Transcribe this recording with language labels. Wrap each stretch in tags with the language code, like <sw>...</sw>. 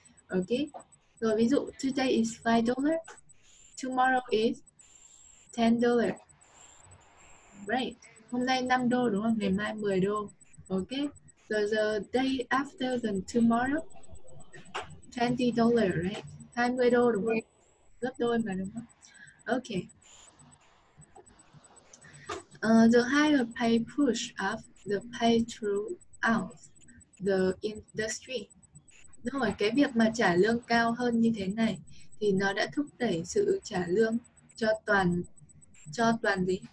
<en>Ok,</en> <vi>rồi ví dụ,</vi> <en>today is $5, tomorrow is $10.</en> <vi>Right, hôm nay 5 đô đúng không, ngày mai 10 đô. Ok, rồi</vi> <en>the day after the tomorrow,</en> <vi>$20, right, 20 đô đúng không, gấp đôi mà đúng không. Ok.</vi> <en>The higher pay push up the pay throughout the industry.</en> <vi>Rồi, cái việc mà trả lương cao hơn như thế này thì nó đã thúc đẩy sự trả lương cho toàn gì?</vi>